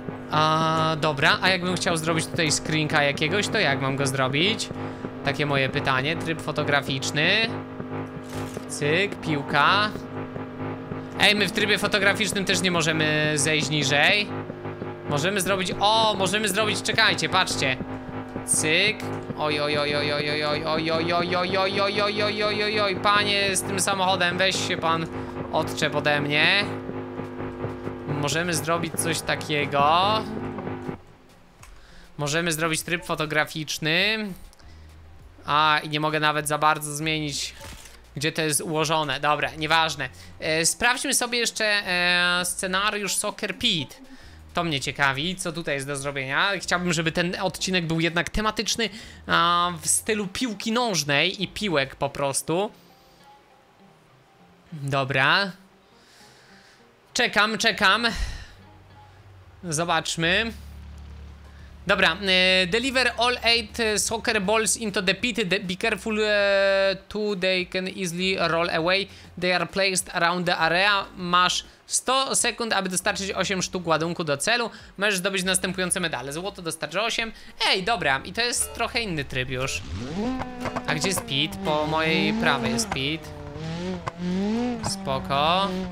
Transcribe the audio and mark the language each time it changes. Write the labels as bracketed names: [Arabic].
[Polish] A dobra, a jakbym chciał zrobić tutaj screenka jakiegoś, to jak mam go zrobić? Takie moje pytanie, tryb fotograficzny. Cyk, piłka. Ej, my w trybie fotograficznym też nie możemy zejść niżej. Możemy zrobić, o, możemy zrobić, czekajcie, patrzcie. Cyk. Oj, oj, oj, oj, oj, oj, oj, oj, oj, oj, oj, oj, oj, oj, oj, oj, oj, oj, panie z tym samochodem, weź się pan odczep ode mnie. Możemy zrobić coś takiego. Możemy zrobić tryb fotograficzny. A, i nie mogę nawet za bardzo zmienić, gdzie to jest ułożone. Dobra, nieważne. Sprawdźmy sobie jeszcze scenariusz Soccer Pit. To mnie ciekawi, co tutaj jest do zrobienia. Chciałbym, żeby ten odcinek był jednak tematyczny w stylu piłki nożnej i piłek po prostu. Dobra. Czekam, czekam. Zobaczmy. Dobra, [English] deliver all 8 soccer balls into the pit. Be careful, too, they can easily roll away. They are placed around the area. [Polish] Masz 100 sekund, aby dostarczyć 8 sztuk ładunku do celu. Możesz zdobyć następujące medale. Złoto dostarczy 8. Ej, dobra, i to jest trochę inny tryb już. A gdzie jest pit? Po mojej prawej jest pit. Spoko.